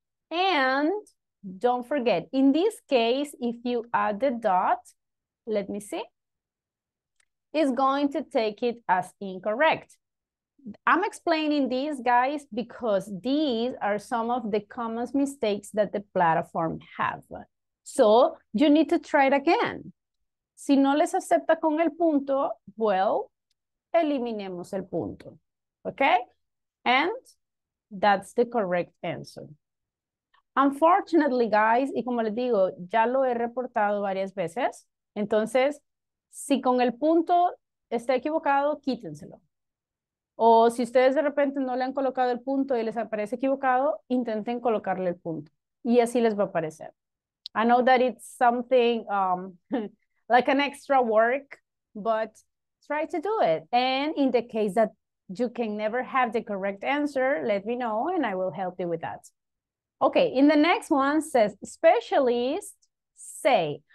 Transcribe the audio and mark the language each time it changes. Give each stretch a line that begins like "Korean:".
English: And don't forget, in this case, if you add the dot, let me see, it's going to take it as incorrect. I'm explaining these, guys, because these are some of the common mistakes that the platform have. So you need to try it again.
Spanish: Si no les acepta con el punto, well, eliminemos el punto. Okay?
English: And that's the correct answer. Unfortunately, guys,
Spanish: y como les digo, ya lo he reportado varias veces. Entonces, si con el punto está equivocado, quítenselo. O si ustedes de repente no le han colocado el punto y les aparece equivocado, intenten colocarle el punto. Y así les va a aparecer.
English: I know that it's something like an extra work, but try to do it. And in the case that you can never have the correct answer, let me know and I will help you with that. Okay, in the next one says, specialist, say.